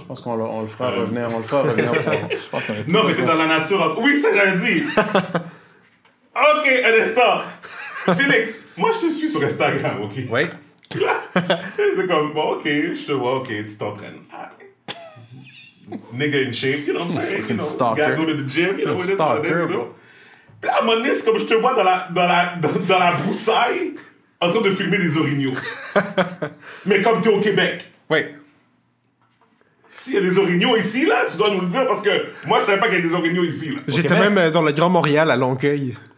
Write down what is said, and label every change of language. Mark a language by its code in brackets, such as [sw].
[fr] Je pense qu'on on le fera revenir. On le fera revenir. Pour... Je pense non, mais t'es dans la nature. En... Oui, c'est lundi. OK, un instant. Félix, moi, je te suis sur Instagram, OK? Oui. C'est comme, bon, OK, je te vois, OK, tu t'entraînes. [en] Nigga in shape, you know what I'm saying? You know, gotta go to the gym, you know what I'm saying? [fr] Puis à un moment donné, c'est comme je te vois dans la broussaille en train de filmer des orignaux. Mais comme t'es au Québec. Oui. S'il y a des orignaux ici, là, tu dois nous le dire parce que moi, je savais pas qu'il y a des orignaux ici, là. J'étais même dans le Grand Montréal à Longueuil.